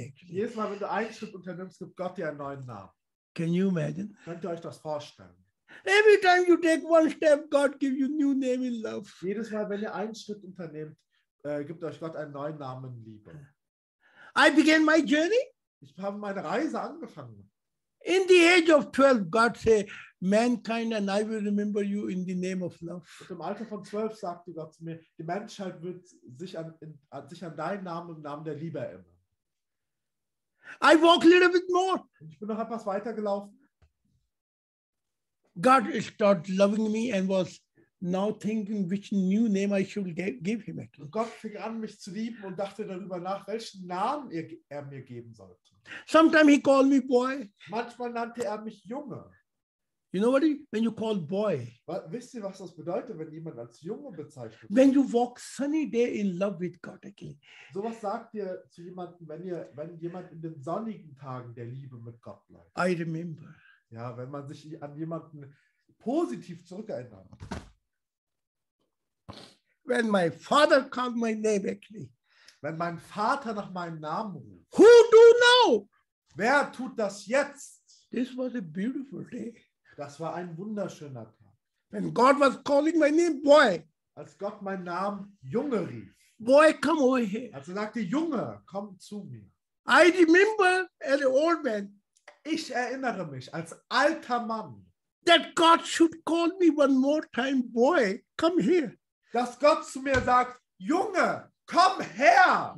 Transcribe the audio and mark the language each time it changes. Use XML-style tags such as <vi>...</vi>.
<de>Jedes Mal, wenn du einen Schritt unternimmst, gibt Gott dir einen neuen Namen.</de> <en>Can you imagine?</en> <de>Könnt ihr euch das vorstellen?</de> <en>Every time you take one step, God give you a new name in love.</en> <de>Jedes Mal, wenn ihr einen Schritt unternimmt, gibt euch Gott einen neuen Namen in Liebe.</de> <en>I began my journey.</en> <de>Ich habe meine Reise angefangen.</de> <en>In the age of 12, God say, mankind and I will remember you in the name of love.</en> <de>Und im Alter von 12 sagte Gott zu mir, die Menschheit wird sich an deinen Namen im Namen der Liebe erinnern.</de> <en>I walk a little bit more.</en> <de>Ich bin noch etwas weitergelaufen.</de> <en>God started loving me and was now thinking which new name I should give him.</en> <de>Und Gott fing an, mich zu lieben und dachte darüber nach, welchen Namen er mir geben sollte.</de> <en>Sometimes he called me boy.</en> <de>Manchmal nannte er mich Junge.</de> <en>You know what? When you call boy.</en> <de>Wisst ihr, was das bedeutet, wenn jemand als Junge bezeichnet wird?</de> <en>When you walk sunny day in love with God again.</en> <de>So was sagt ihr zu jemandem, wenn jemand in den sonnigen Tagen der Liebe mit Gott bleibt?</de> <en>I remember.</en> <de>Ja, wenn man sich an jemanden positiv zurückerinnert.</de> <en>When my father called my name actually.</en> <de>Wenn mein Vater nach meinem Namen ruft.</de> <en>Who do now?</en> <de>Wer tut das jetzt?</de> <en>This was a beautiful day.</en> <de>Das war ein wunderschöner Tag.</de> <en>When God was calling my name, boy.</en> <de>Als Gott meinen Namen Junge rief.</de> <en>Boy, come over here.</en> <de>Als er sagte, Junge, komm zu mir.</de> <en>I remember as an old man.</en> <de>Ich erinnere mich als alter Mann.</de> <en>That God should call me one more time, boy, come here.</en> <de>Dass Gott zu mir sagt, Junge, komm her.</de>